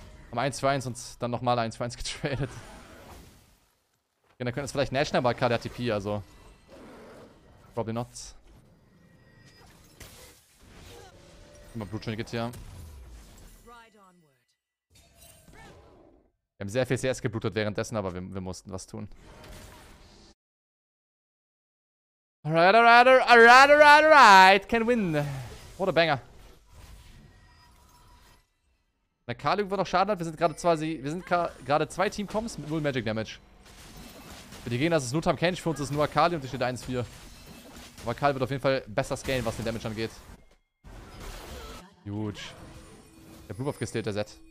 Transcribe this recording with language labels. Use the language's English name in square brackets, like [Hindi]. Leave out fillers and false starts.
[German] Haben 1-2-1 und dann nochmal 1-2-1 getradet. Ja, dann können wir es vielleicht nashen, aber gerade ATP, also. [English] Probably not. [German] Immer Blutschnicket hier. Wir haben sehr viel CS geblutet währenddessen, aber wir mussten was tun. [English] Alright, alright, alright, alright, alright. Can win. What a banger. [German] Na, Kali wird noch Schaden hat. Wir sind gerade zwei Team-Comps mit 0 Magic Damage. Für die Gegner ist es nur Tam Kench, für uns ist es nur Kali und die steht 1-4. Aber Kali wird auf jeden Fall besser scalen, was den Damage angeht. Huge. Der Blue Buff gestillt, der Zed.